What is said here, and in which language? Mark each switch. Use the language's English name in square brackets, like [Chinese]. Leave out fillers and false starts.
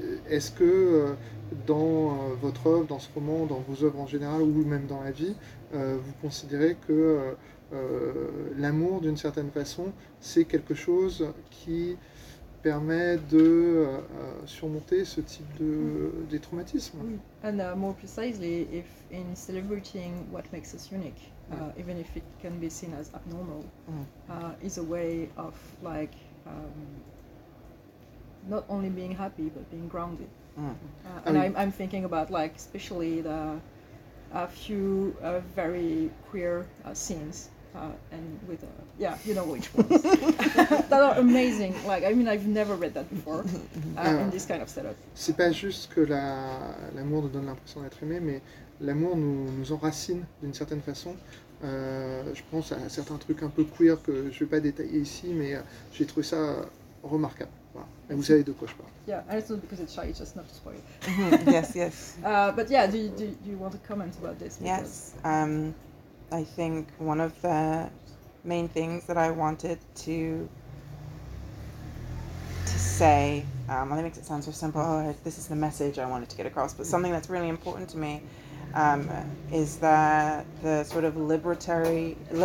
[French] est-ce que dans votre œuvre, dans ce roman, dans vos œuvres en général, ou même dans la vie, vous considérez que l'amour, d'une certaine façon, c'est quelque chose qui permet de surmonter ce type de des traumatismes. [English] And more precisely, if in celebrating what makes us unique, even if it can be seen as abnormal, is a way of like not only being happy but being grounded. And I'm thinking about like especially the a few very queer scenes. And with you know which ones that are amazing. Like, I mean, I've never read that before in this kind of setup. [French] C'est pas juste que l'amour nous donne l'impression d'être aimé, mais l'amour nous enracine d'une certaine façon. Je pense à certains trucs un peu queer que je vais pas détailler ici, mais j'ai trouvé ça remarquable. Voilà. Et vous savez de quoi je parle. [English] Yeah, and it's not because it's shy, it's just not to spoil. Yes, yes. But yeah, do you want to comment about this? Because... Yes. I think one of the main things that I wanted to say, let me make it sound so simple, this is the message I wanted to get across, but something that's really important to me is that the sort of liberatory